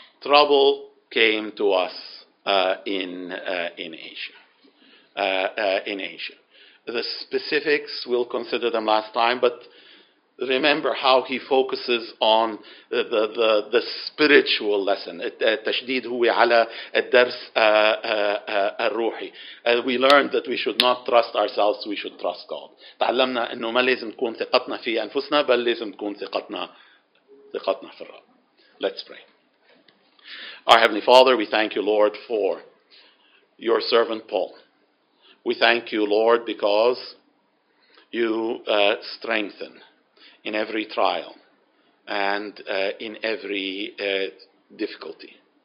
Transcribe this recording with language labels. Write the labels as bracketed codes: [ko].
[en] Trouble came to us in Asia. In Asia, the specifics we'll consider them last time. But remember how he focuses on the spiritual lesson. [ar] التشديد هو على الدرس الروحي. [en] We learned that we should not trust ourselves. We should trust God. [ar] تعلمنا إنه ما لازم تكون ثقتنا في أنفسنا بل لازم تكون ثقتنا في الرب. [en] Let's pray. Our Heavenly Father, we thank you, Lord, for your servant Paul. We thank you, Lord, because you strengthen in every trial and in every difficulty.